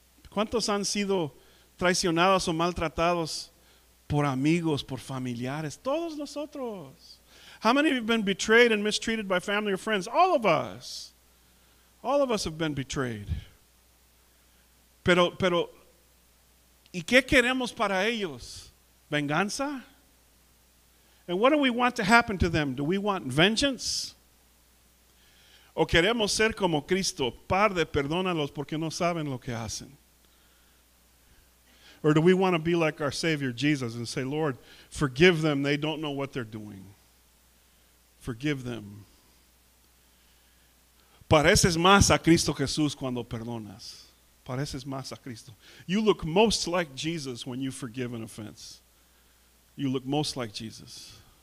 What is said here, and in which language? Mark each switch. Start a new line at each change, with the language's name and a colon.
Spanish: ¿Cuántos han sido traicionados o maltratados por amigos, por familiares? Todos nosotros.
English: How many of you have been betrayed and mistreated by family or friends? All of us. All of us have been betrayed.
Spanish: Pero, ¿y qué queremos para ellos? ¿Venganza?
English: And what do we want to happen to them? Do we want vengeance?
Spanish: ¿O queremos ser como Cristo? Padre, perdónalos porque no saben lo que hacen.
English: Or do we want to be like our Savior Jesus and say, Lord, forgive them. They don't know what they're doing. Forgive them.
Spanish: Pareces más a Cristo Jesús cuando perdonas. Pareces más a Cristo.
English: You look most like Jesus when you forgive an offense. You look most like Jesus.